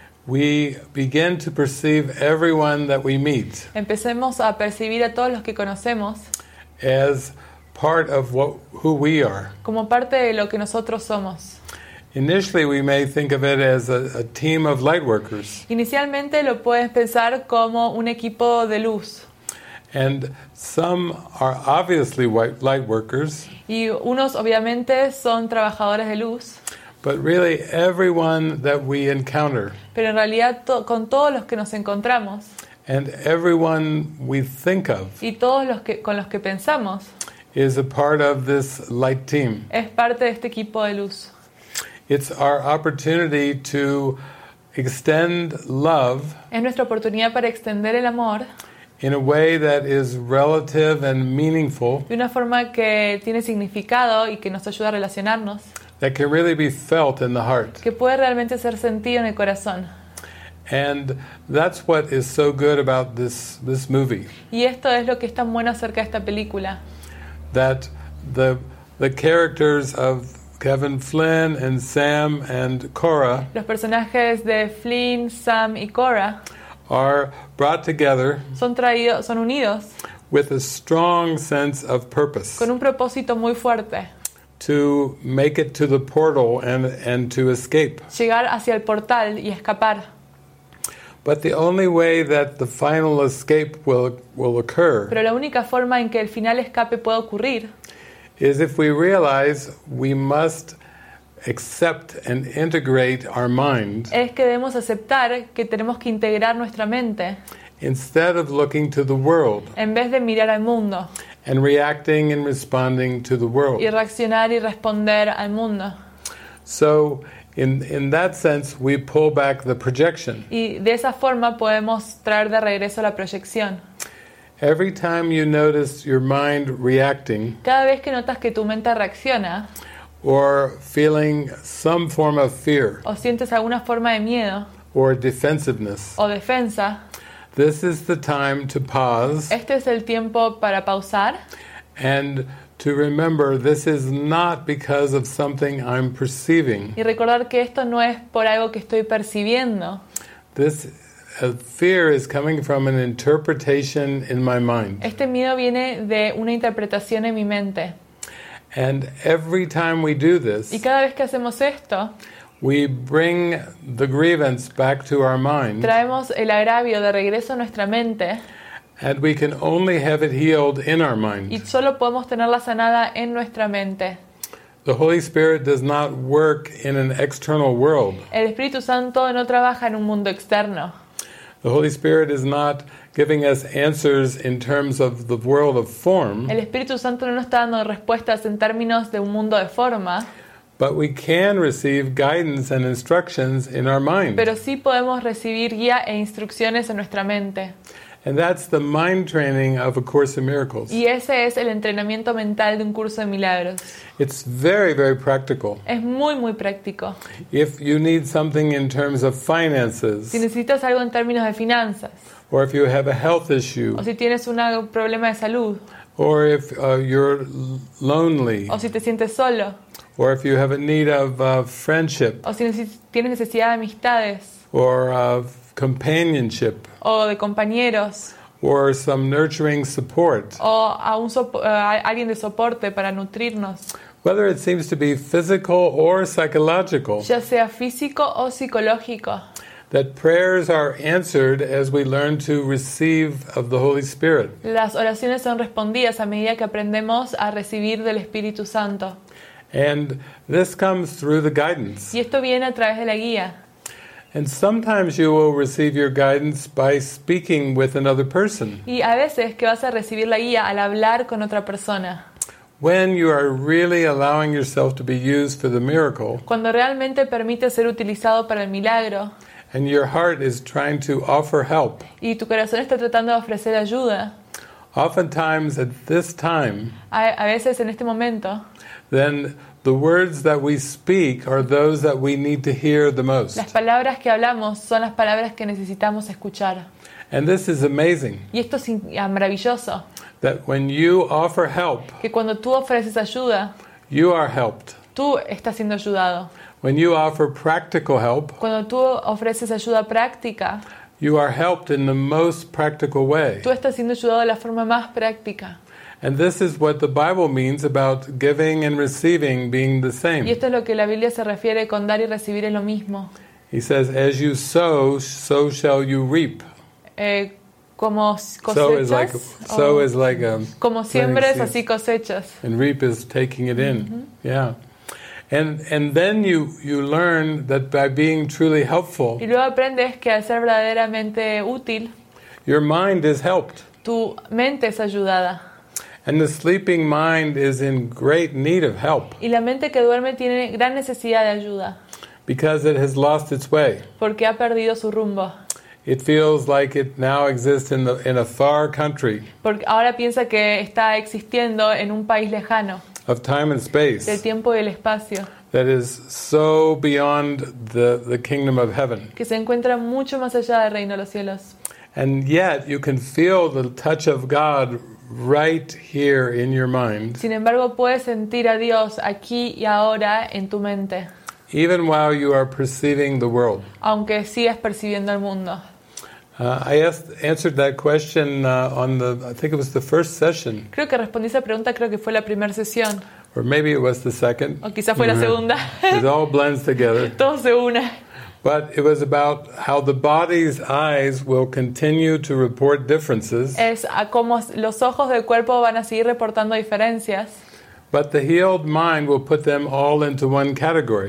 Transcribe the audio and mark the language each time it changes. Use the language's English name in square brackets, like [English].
[English] we begin to perceive everyone that we meet. [Spanish] Empecemos a percibir a todos los que conocemos [English] as part of what who we are. [Spanish] Como parte de lo que nosotros somos. [English] Initially, we may think of it as a team of light workers. [Spanish] Inicialmente lo puedes pensar como un equipo de luz. [English] And some are obviously light workers. [Spanish] Y unos obviamente son trabajadores de luz. [English] But really, everyone that we encounter. [Spanish] Pero en realidad, con todos los que nos encontramos. [English] And everyone we think of. [Spanish] Y todos los que con los que pensamos. [English] Is a part of this light team. [Spanish] Es parte de este equipo de luz. [English] It's our opportunity to extend love. [Spanish] Es nuestra oportunidad para extender el amor. [English] In a way that is relative and meaningful. [Spanish] De una forma que tiene significado y que nos ayuda a relacionarnos. [English] That can really be felt in the heart. [Spanish] Que puede realmente ser sentido en el corazón. [English] And that's what is so good about this movie. [Spanish] Y esto es lo que es tan bueno acerca de esta película. [English] That the characters of Kevin Flynn and Sam and Cora. [Spanish] Los personajes de Flynn, Sam y Cora. [English] Are brought together. [Spanish] Son unidos. [English] With a strong sense of purpose. [Spanish] Con un propósito muy fuerte. [English] To make it to the portal and to escape. [Spanish] Llegar hacia el portal y escapar. [English] But the only way that the final escape will occur. [Spanish] Pero la única forma en que el final escape pueda ocurrir. [English] Is if we realize we must accept and integrate our mind. [Spanish] Es que debemos aceptar que tenemos que integrar nuestra mente. [English] Instead of looking to the world. [Spanish] En vez de mirar al mundo. [English] And reacting and responding to the world. [Spanish] Y reaccionar y responder al mundo. [English] So in that sense we pull back the projection. [Spanish] Y de esa forma podemos traer de regreso la proyección. [English] Every time you notice your mind reacting. [Spanish] Cada vez que notas que tu mente reacciona. [English] Or feeling some form of fear. [Spanish] O sientes alguna forma de miedo. [English] Or defensiveness. [Spanish] O defensa. [English] This is the time to pause. [Spanish] Este es el tiempo para pausar. [English] And to remember this is not because of something I'm perceiving. [Spanish] Y recordar que esto no es por algo que estoy percibiendo. [English] This fear is coming from an interpretation in my mind. [Spanish] Este miedo viene de una interpretación en mi mente. [English] And every time we do this, [Spanish] y cada vez que hacemos esto, [English] we bring the grievance back to our mind. [Spanish] Traemos el agravio de regreso a nuestra mente. [English] And we can only have it healed in our mind. [Spanish] Y solo podemos tenerla sanada en nuestra mente. [English] The Holy Spirit does not work in an external world. [Spanish] El Espíritu Santo no trabaja en un mundo externo. [English] The Holy Spirit is not giving us answers in terms of the world of form. [Spanish] El Espíritu Santo no está dando respuestas en términos de un mundo de forma. [English] But we can receive guidance and instructions in our mind. [Spanish] Pero sí podemos recibir guía e instrucciones en nuestra mente. [English] And that's the mind training of A Course in Miracles. [Spanish] Y ese es el entrenamiento mental de Un Curso de Milagros. [English] It's very, very practical. [Spanish] Es muy, muy práctico. [English] If you need something in terms of finances. [Spanish] Si necesitas algo en términos de finanzas. [English] Or if you have a health issue. [Spanish] O si tienes un problema de salud. [English] Or if you're lonely. [Spanish] O si te sientes solo. [English] Or if you have a need of friendship. [Spanish] O si tienes necesidad de amistades. [English] Or of companionship. [Spanish] O de compañeros. [English] Or some nurturing support. [Spanish] O a un alguien de soporte para nutrirnos. [English] Whether it seems to be physical or psychological. [Spanish] Ya sea físico o psicológico. [English] That prayers are answered as we learn to receive of the Holy Spirit. [Spanish] Las oraciones son respondidas a medida que aprendemos a recibir del Espíritu Santo. [English] And this comes through the guidance. [Spanish] Y esto viene a través de la guía. [English] And sometimes you will receive your guidance by speaking with another person. [Spanish] Y a veces que vas a recibir la guía al hablar con otra persona. [English] When you are really allowing yourself to be used for the miracle. [Spanish] Cuando realmente permites ser utilizado para el milagro. [English] And your heart is trying to offer help. [Spanish] Y tu corazón está tratando de ofrecer ayuda. [English] Oftentimes at this time. [Spanish] A veces en este momento. [English] Then the words that we speak are those that we need to hear the most. [Spanish] Las palabras que hablamos son las palabras que necesitamos escuchar. [English] And this is amazing. [Spanish] Y esto es maravilloso. [English] That when you offer help. [Spanish] Que cuando tú ofreces ayuda. [English] You are helped. [Spanish] Tú estás siendo ayudado. [English] When you offer practical help. [Spanish] Cuando tú ofreces ayuda práctica. [English] You are helped in the most practical way. [Spanish] Tú estás siendo ayudado de la forma más práctica. [English] And this is what the Bible means about giving and receiving being the same. [Spanish] Y esto es lo que la Biblia se refiere con dar y recibir es lo mismo. [English] He says, as you sow, so shall you reap. [Spanish] Como cosechas. [English] So is like a [Spanish] como siembres, así cosechas. [English] And reap is taking it in. Mm-hmm. Yeah. And then you learn that by being truly helpful. [Spanish] Y luego aprendes que al ser verdaderamente útil, [English] your mind is helped. [Spanish] Tu mente es ayudada. [English] And the sleeping mind is in great need of help. [Spanish] Y la mente que duerme tiene gran necesidad de ayuda. [English] Because it has lost its way. [Spanish] Porque ha perdido su rumbo. [English] It feels like it now exists in a far country. [Spanish] Porque ahora piensa que está existiendo en un país lejano. [English] Of time and space. [Spanish] Del tiempo y el espacio. [English] That is so beyond the kingdom of heaven. [Spanish] Que se encuentra mucho más allá del reino de los cielos. [English] And yet you can feel the touch of God right here in your mind. [Spanish] Sin embargo, puedes sentir a Dios aquí y ahora en tu mente. [English] Even while you are perceiving the world. [Spanish] Aunque sigas percibiendo el mundo. [English] I answered that question on the, I think it was the first session. [Spanish] Creo que respondí esa pregunta, creo que fue la primera sesión. [English] Or maybe it was the second. [Spanish] O quizá fue la segunda. [English] It all blends together. [Spanish] Todo se une. [English] But it was about how the body's eyes will continue to report differences. [Spanish] Es a cómo los ojos del cuerpo van a seguir reportando diferencias. [English] But the healed mind will put them all into one category.